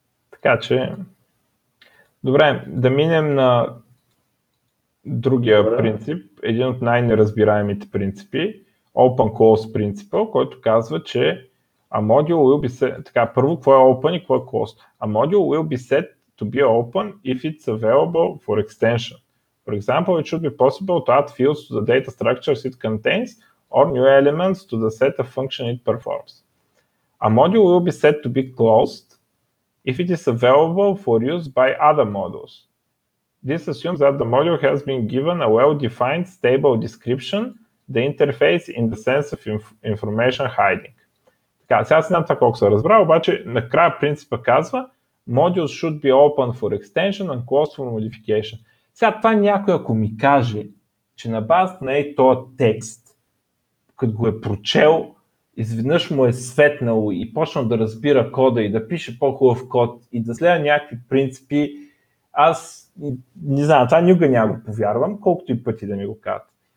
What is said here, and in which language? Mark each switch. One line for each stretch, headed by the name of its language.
Bulgarian: Така че, добре, да минем на другия принцип, един от най-неразбираемите принципи, Open Close Principle, който казва, че
English: a module will be set,
Bulgarian: така, първо, какво е open и какво е closed?
English: A module will be set to be open if it's available for extension. For example, it should be possible to add fields to the data structures it contains or new elements to the set of function it performs. A module will be set to be closed if it is available for use by other models. This assumes that the module has been given a well-defined, stable description, the interface in the sense of information hiding.
Bulgarian: Така, сега си знам това колко съм разбрал, обаче накрая принципа казва
English: modules should be open for extension and closed for modification.
Bulgarian: Сега това някой ако ми каже, че на базата на този текст, като го е прочел, изведнъж му е светнало и почна да разбира кода и да пише по-хубав код и да следва някакви принципи, аз не знам, това никога няма го повярвам, колкото и пъти да ми го кажат.